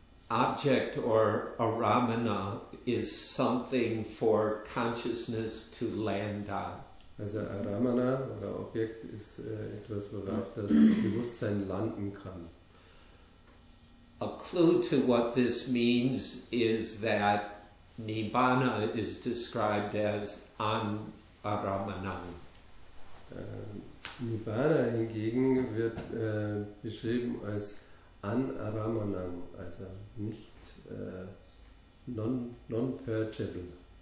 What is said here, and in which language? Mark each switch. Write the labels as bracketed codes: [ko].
[en] Object or aramana is something for consciousness to land on. [de] Also aramana oder Objekt ist etwas, worauf das Bewusstsein landen kann. [en] A clue to what this means is that Nibbana is described as anaramanam. [de] Nibbana hingegen wird beschrieben als anaramanam, also nicht non-perchable.